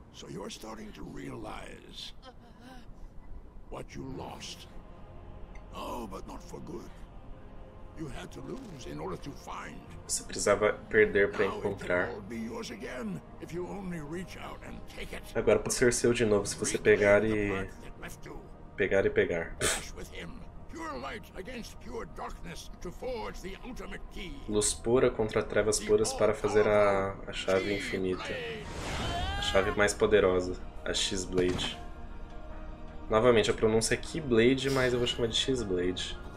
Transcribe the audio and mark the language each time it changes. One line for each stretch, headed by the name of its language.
English: You're starting to realize what you lost. Oh, but not for good. You had to lose in order to find.
Portuguese: Você precisava perder para encontrar.
English: Now it will be yours again if you only reach out and take it.
Portuguese: Agora pode ser seu de novo se você pegar e pegar.
English: Pure light against pure darkness to forge the ultimate key.
Portuguese: Luz pura contra trevas puras para fazer a chave infinita. A chave mais poderosa, a X-Blade. Novamente, a pronúncia é Keyblade, mas eu vou chamar de X-Blade.